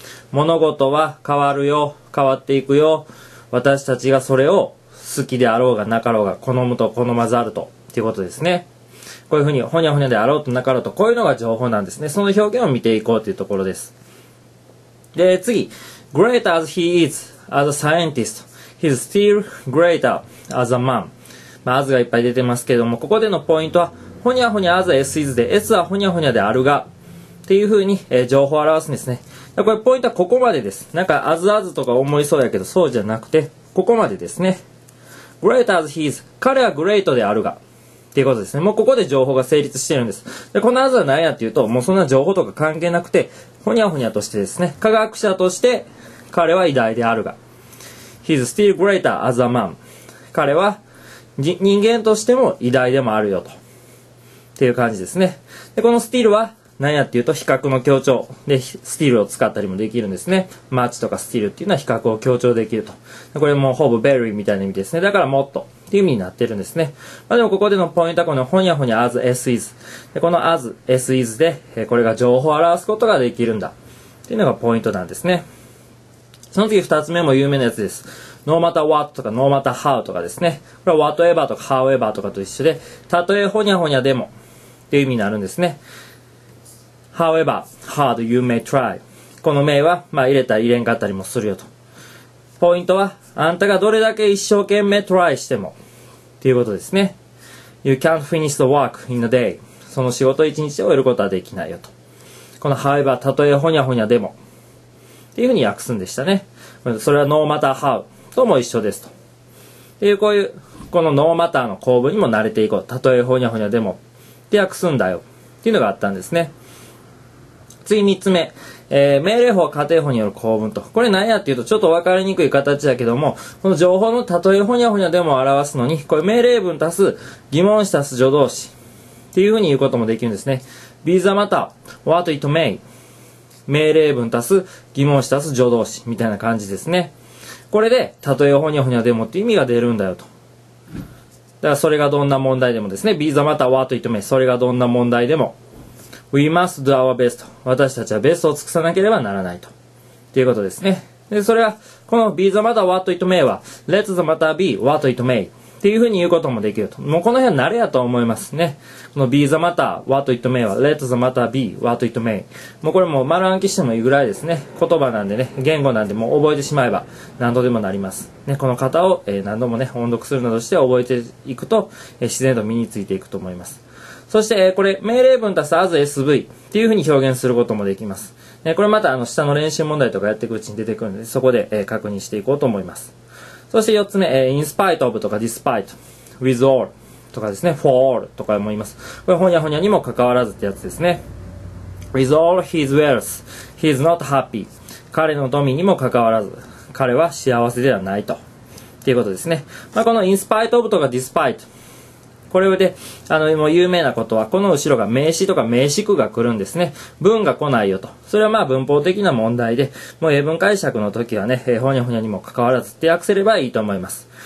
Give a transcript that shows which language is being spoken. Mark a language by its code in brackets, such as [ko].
[ja] 物事は変わるよ、変わっていくよ。私たちがそれを好きであろうがなかろうが好むと好まずあるとっていうことですね。こういうふうにほにゃほにゃであろうとなかろうと、こういうのが情報なんですね。その表現を見ていこうというところです。で、次。 [en] Great as he is as a scientist, he's still greater as a man. [ja] まあ、as がいっぱい出てますけれども、ここでのポイントは、ほにゃほにゃ as s is で、s はほにゃほにゃであるがっていうふうに、情報を表すんですね。これポイントはここまでです。なんか、あずあずとか思いそうやけど、そうじゃなくて、ここまでですね。 [en] Great as he is. [ja] 彼はグレートであるが。っていうことですね。もうここで情報が成立してるんです。で、このあずは何やっていうと、もうそんな情報とか関係なくて、ほにゃほにゃとしてですね。科学者として、彼は偉大であるが。 [en] He's still greater as a man. [ja] 彼は、人間としても偉大でもあるよと。っていう感じですね。で、このスティールは、何やっていうと、比較の強調で、スティールを使ったりもできるんですね。マッチとかスティールっていうのは比較を強調できると。これもほぼベリーみたいな意味ですね。だからもっとっていう意味になってるんですね。まあでもここでのポイントはこのほにゃほにゃ as s is。この as s is で、これが情報を表すことができるんだ。っていうのがポイントなんですね。その次二つ目も有名なやつです。 No matter what とか No matter how とかですね。これは whatever とか however とかと一緒で、たとえほにゃほにゃでもっていう意味になるんですね。 [en] However, hard you may try. [ja] この名は、まあ、入れたり入れんかったりもするよと。ポイントは、あんたがどれだけ一生懸命 try しても。っていうことですね。 [en] You can't finish the work in a day. [ja] その仕事を一日で終えることはできないよと。この however, たとえほにゃほにゃでも。っていうふうに訳すんでしたね。それは no matter how とも一緒ですと。っていうこういう、この no matter の構文にも慣れていこう。たとえほにゃほにゃでも。って訳すんだよ。っていうのがあったんですね。次三つ目、命令法、仮定法による構文と。これ何やっていうと、ちょっと分かりにくい形だけども、この情報の例えほにゃほにゃでも表すのに、これ命令文足す疑問詞足す助動詞っていうふうに言うこともできるんですね。 [en] Be the matter, what it may. [ja] 命令文足す疑問詞足す助動詞みたいな感じですね。これで、例えほにゃほにゃでもって意味が出るんだよと。だからそれがどんな問題でもですね。 [en] Be the matter, what it may. [ja] それがどんな問題でも。 [en] We must do our best. [ja] 私たちはベストを尽くさなければならないと。っていうことですね。で、それは、この [en] be the matter what it may [ja] は、 [en] let the matter be what it may [ja] っていうふうに言うこともできると。もうこの辺は慣れやと思いますね。この [en] be the matter what it may [ja] は、 [en] let the matter be what it may。 [ja] もうこれもう丸暗記してもいいぐらいですね。言葉なんでね、言語なんでもう覚えてしまえば何度でもなります。ね、この型を、何度もね、音読するなどして覚えていくと、自然と身についていくと思います。そして、これ、命令文足す as sv っていう風に表現することもできます。これまた、下の練習問題とかやっていくうちに出てくるので、そこで確認していこうと思います。そして、四つ目、in spite of とか despite, with all とかですね、for all とかも言います。これ、ほにゃほにゃにも関わらずってやつですね。 [en] with all his wealth, he is not happy. [ja] 彼の富にも関わらず、彼は幸せではないと。っていうことですね。まあ、この in spite of とか despite、これで、もう有名なことは、この後ろが名詞とか名詞句が来るんですね。文が来ないよと。それはまあ文法的な問題で、もう英文解釈の時はね、ほにゃほにゃにも関わらずって訳せればいいと思います。